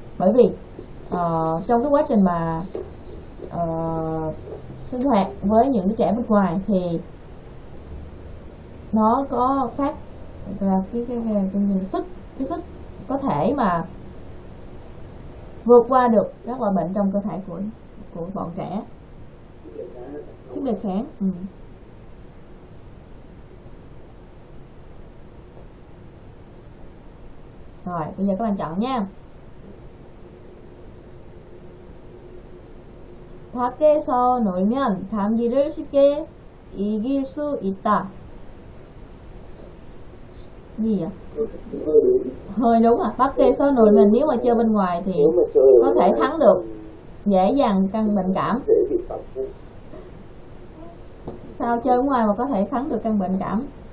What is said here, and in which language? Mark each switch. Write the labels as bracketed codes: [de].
[vi] Bởi vì trong cái quá trình mà sinh hoạt với những đứa trẻ bên ngoài thì nó có phát ra cái sức có thể mà vượt qua được các loại bệnh trong cơ thể của bọn trẻ. Sức đề kháng. Rồi, bây giờ các bạn chọn nha. [ko] 밖에서 놀면 감기를 쉽게 이길 수 있다. 뭐야? [vi] Hơi đúng à? [ko] 밖에서 놀면 [vi] nếu mà chơi bên ngoài thì có thể thắng được dễ dàng căn bệnh cảm. Sao chơi ngoài mà có thể thắng được căn bệnh cảm?